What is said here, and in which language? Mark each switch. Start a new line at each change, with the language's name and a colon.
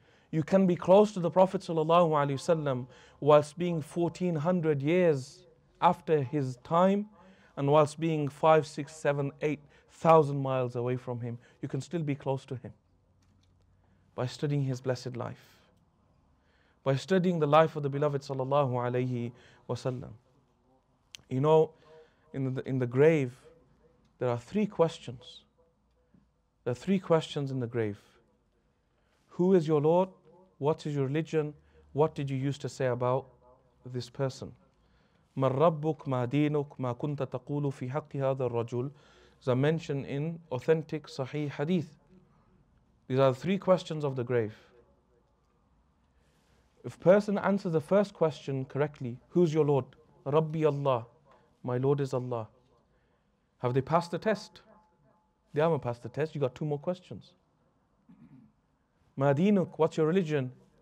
English: You can be close to the Prophet sallallahu alaihi wasallam whilst being 1400 years after his time, and whilst being 5, 6, 7, 8 thousand miles away from him, you can still be close to him by studying his blessed life, by studying the life of the beloved sallallahu alayhi wasallam. You know, in the grave, there are three questions. There are three questions in the grave. Who is your Lord? What is your religion? What did you used to say about this person?
Arabic: مَا رَبُّكْ مَا دِينُكْ مَا كُنْتَ تَقُولُ فِي حَقِّ هَذَا الرَّجُلُ
English: is mentioned in authentic Sahih Hadith. These are the three questions of the grave. If a person answers the first question correctly, who's your Lord? Rabbi Allah, my Lord is Allah. Have they passed the test? They haven't passed the test, you got two more questions. Madinuk, what's your religion?